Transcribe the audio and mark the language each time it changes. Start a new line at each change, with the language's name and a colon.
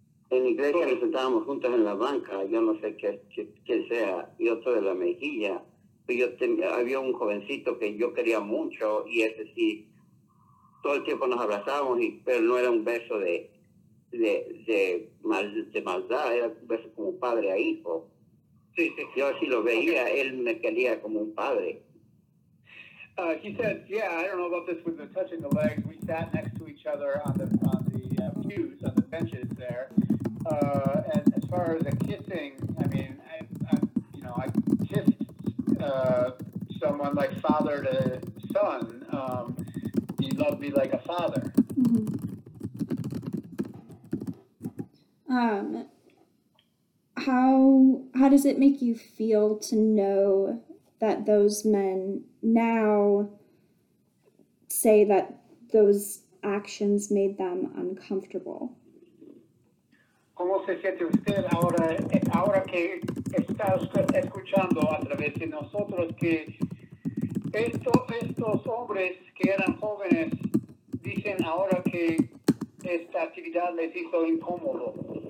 Spanish: En iglesia nos sentábamos juntos en la banca, yo no sé qué sea, y otro de la mejilla. Había un jovencito que yo quería mucho y ese sí, todo el tiempo nos abrazábamos, pero no era un beso de maldad, era un beso como padre a hijo. Sí, sí. Yo así lo veía, okay. Él me quería como un padre.
English: He said, yeah, I don't know about this with the touching the legs. We sat next to each other on the pews, on the benches there. And as far as the kissing, I mean, I kissed someone like father to son. He loved me like a father. Mm-hmm. How does it make you feel to know that those men now say that those actions made them uncomfortable?
Spanish: ¿Cómo se siente usted ahora que está escuchando a través de nosotros que estos hombres que eran jóvenes dicen ahora que esta actividad les hizo incómodos?